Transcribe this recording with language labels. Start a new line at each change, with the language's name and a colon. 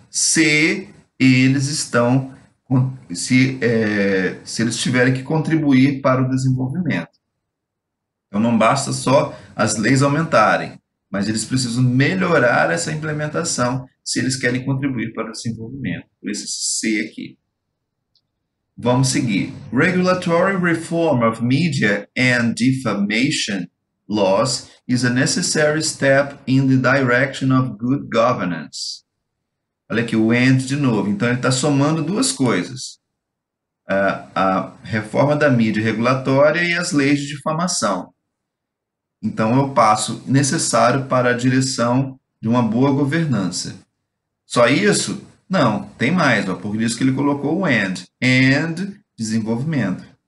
Portuguese: Se eles estão, se eles tiverem que contribuir para o desenvolvimento. Então, não basta só as leis aumentarem, mas eles precisam melhorar essa implementação se eles querem contribuir para o desenvolvimento. Por isso, esse C aqui. Vamos seguir.
English: Regulatory reform of media and defamation laws is a necessary step in the direction of good governance.
Portuguese: Olha aqui, o and de novo. Então, ele está somando duas coisas: a reforma da mídia regulatória e as leis de difamação. Então, é o passo necessário para a direção de uma boa governança. Só isso? Não, tem mais, ó, por isso que ele colocou o and desenvolvimento.